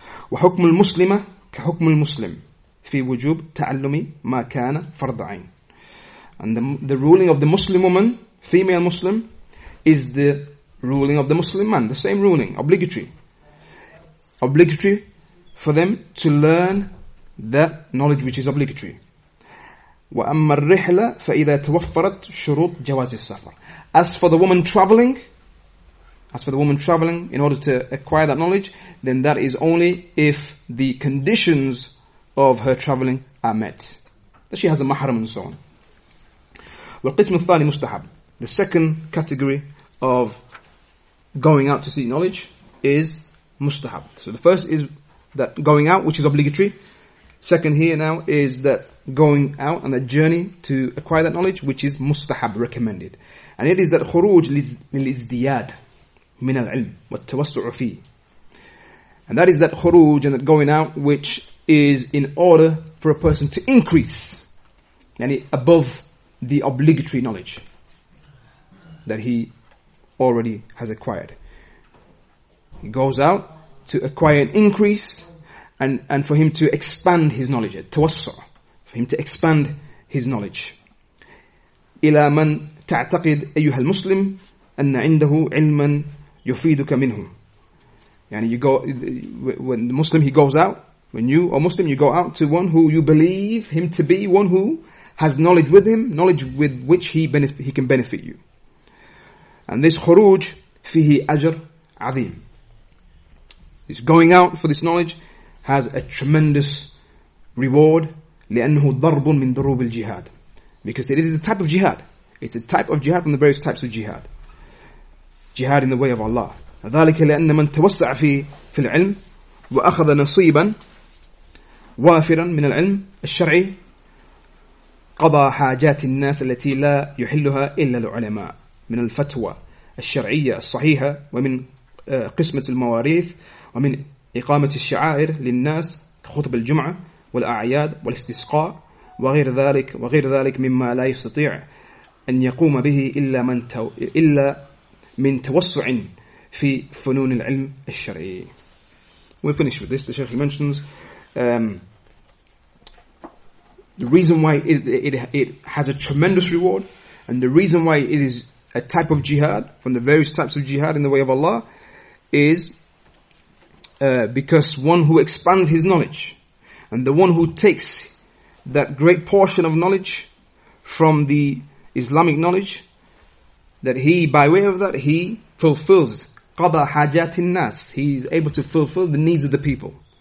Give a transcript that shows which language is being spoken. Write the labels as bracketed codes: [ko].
[ar] وحكم المسلمة كحكم المسلم. في وجوب تعلمي ما كان فرض عين. [en] And the ruling of the Muslim woman, female Muslim, is the ruling of the Muslim man. The same ruling, obligatory. Obligatory for them to learn that knowledge which is obligatory. [ar] وأما الرحلة فإذا توفرت شروط جواز السفر. [en] As for the woman traveling in order to acquire that knowledge, then that is only if the conditions of her traveling are met, that she has a mahram and so on. [ar] والقسم الثاني مستحب. [en] The second category of going out to seek knowledge is mustahab. So the first is that going out, which is obligatory. Second here now is that going out and a journey to acquire that knowledge, which is mustahab, recommended. And it is that [ar] خروج للازدياد من العلم والتوسع فيه. [en] And that is that خروج and that going out, which is in order for a person to increase, yani above the obligatory knowledge that he already has acquired. He goes out to acquire an increase and for him to expand his knowledge, التوسع, for him to expand his knowledge. [ar] إلى من تعتقد أيها المسلم أن عنده علما يفيدك منه. [en] Yani you go, when the Muslim, he goes out, when you are Muslim, you go out to one who you believe him to be, one who has knowledge with him, knowledge with which he can benefit you. And this [ar] khuruj fihi ajr azim. [en] This going out for this knowledge has a tremendous reward. [ar] لأنه ضرب من ضروب الجهاد. [en] Because it is a type of jihad. It's a type of jihad from the various types of jihad. Jihad in the way of Allah. [ar] ذلك لأن من توسع في العلم وأخذ نصيبا وافرا من العلم الشرعي قضى حاجات الناس التي لا يحلها إلا العلماء من الفتوى الشرعية الصحيحة ومن قسمة المواريث ومن إقامة الشعائر للناس خطب الجمعة والأعياد والاستسقاء وغير ذلك مما لا يستطيع أن يقوم به إلا من توسع في فنون العلم الشرعي. [en] We'll finish with this. The Sheikh mentions the reason why it has a tremendous reward, and the reason why it is a type of jihad from the various types of jihad in the way of Allah is because one who expands his knowledge and the one who takes that great portion of knowledge from the Islamic knowledge, that he, by way of that, he fulfills [ar] قَضَى حَاجَاتِ النَّاسِ, [en] he is able to fulfill the needs of the people.